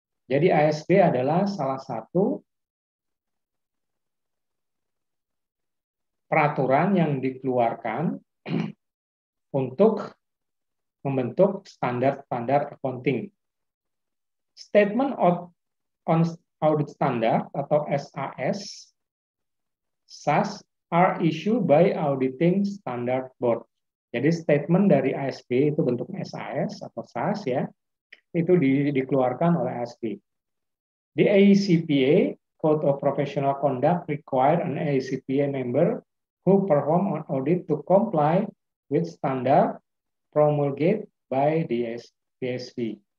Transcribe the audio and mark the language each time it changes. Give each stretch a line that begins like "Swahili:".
Indonesian: Jadi ASB adalah salah satu peraturan yang dikeluarkan untuk membentuk standar-standar accounting. Statement
English: audit standar atau SAS, SAS are issued by auditing standard board.
Indonesian: Jadi statement dari ASB itu bentuk SAS atau SAS ya, itu dikeluarkan oleh ASB.
English: Di AICPA, Code of Professional Conduct require an AICPA member who perform an audit to comply with standard promulgated by the ASB.